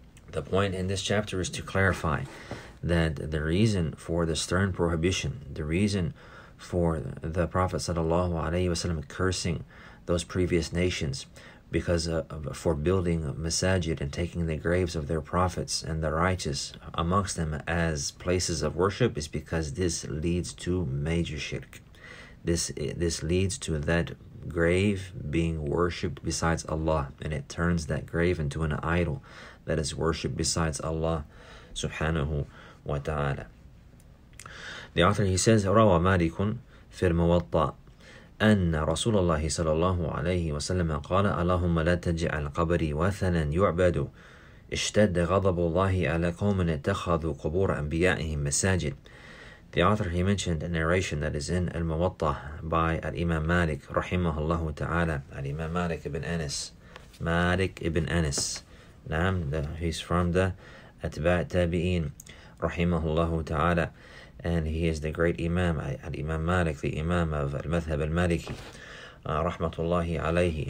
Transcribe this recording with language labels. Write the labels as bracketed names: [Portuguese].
[English] The point in this chapter is to clarify that the reason for the stern prohibition, the reason for the Prophet Sallallahu Alaihi Wasallam cursing those previous nations, because for building masajid and taking the graves of their prophets and the righteous amongst them as places of worship, is because this leads to major shirk. This leads to that grave being worshipped besides Allah, and it turns that grave into an idol that is worshipped besides Allah Subhanahu wa Ta'ala. The author, he says, [Arabic] رَوَى مَالِكٌ فِي الْمُوَطَّى أَنَّ رَسُولَ اللَّهِ صَلَى اللَّهُ عَلَيْهِ وَسَلَّمَ قَالَ أَلَهُمَّ لَا تَجْعَلْ قَبْرِي وَثَنًا يُعْبَدُ اشْتَدَّ غَضَبُ اللَّهِ عَلَى قَوْمٍ اتَّخَذُوا قُبُورَ أَنْبِيَائِهِمْ مَسَاجِدٍ. [English] The author, he mentioned a narration that is in Al-Muwatta by Al-Imam Malik, rahimahullah ta'ala, Al-Imam Malik ibn Anas. Malik ibn Anas. Naam, he's from the Atba' Tabi'een, rahimahullah ta'ala. And he is the great Imam, Al-Imam Malik, the Imam of Al-Madhab Al-Maliki, rahmatullahi alayhi.